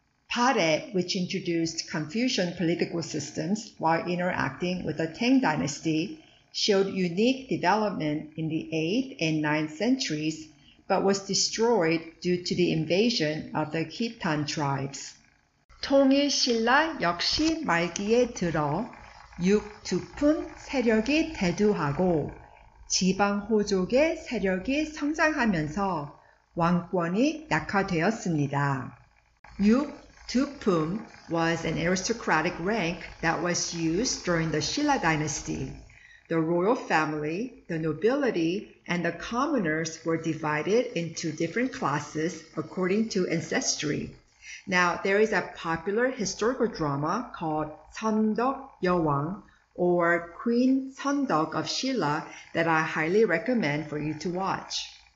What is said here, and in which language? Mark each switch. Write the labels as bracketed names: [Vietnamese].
[English] 발해, which introduced Confucian political systems while interacting with the Tang dynasty, showed unique development in the 8th and 9th centuries, but was destroyed due to the invasion of the Khitan tribes. [Korean] 통일신라 역시 말기에 들어 육두품 세력이 대두하고 지방호족의 세력이 성장하면서 왕권이 약화되었습니다. [English] 육두품 was an aristocratic rank that was used during the Silla dynasty. The royal family, the nobility, and the commoners were divided into different classes according to ancestry. Now, there is a popular historical drama called 선덕여왕 or Queen 선덕 of Silla that I highly recommend for you to watch.